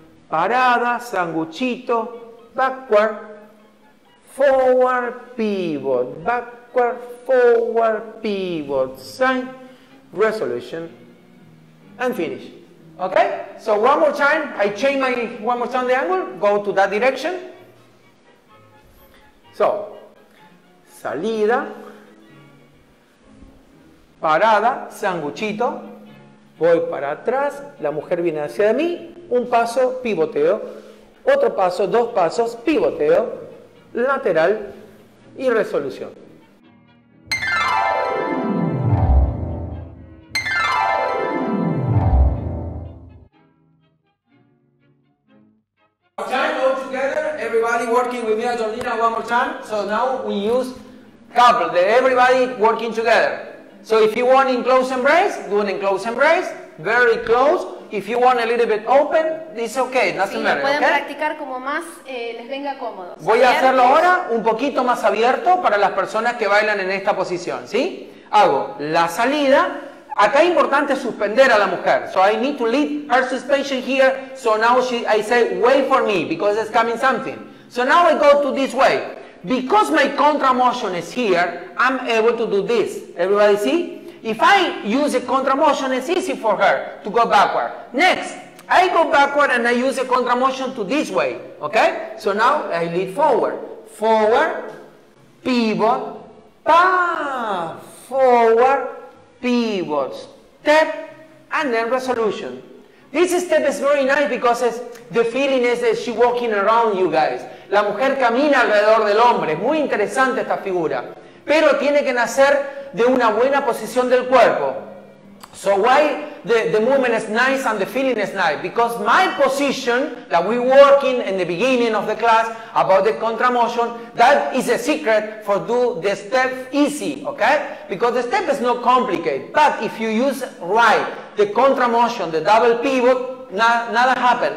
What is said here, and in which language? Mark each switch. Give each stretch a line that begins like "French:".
English: Parada, sanguchito, backward, forward, pivot, backward, forward, pivot, sign, resolution, and finish. Okay? So one more time, I change my, one more time the angle, go to that direction.
Spanish: So, salida, parada, sanguchito, voy para atrás, la mujer viene hacia mí. Un paso, pivoteo, otro paso, dos pasos, pivoteo, lateral y resolución.
English: Okay, all together, everybody working with me and Jordina one more time. So now we use couple, the everybody working together. So if you want in close embrace, do an in close embrace, very close. If you want a little bit open, it's okay, doesn't matter,
Spanish: pueden practicar como más les venga cómodo. Voy a hacerlo ahora un poquito más abierto para las personas que bailan en esta posición, ¿sí? Hago la salida. Acá es importante suspender a la mujer.
English: So I need to lead her suspension here. So now I say, wait for me, because it's coming something. So now I go to this way. Because my contra motion is here, I'm able to do this. Everybody see? If I use a contra motion, it's easy for her to go backward. Next, I go backward and I use a contra motion to this way, okay? So now I lead forward. Forward, pivot, pa, forward, pivot, step, and then resolution. This step is very nice because it's, the feeling is that she's walking around you guys.
Spanish: La mujer camina alrededor del hombre. Muy interesante esta figura. Pero tiene que nacer de una buena posición del cuerpo.
English: So why the movement is nice and the feeling is nice? Because my position that we work in the beginning of the class about the contra motion, that is a secret for do the step easy, okay? Because the step is not complicated, but if you use right the contra motion, the double pivot, nada happen.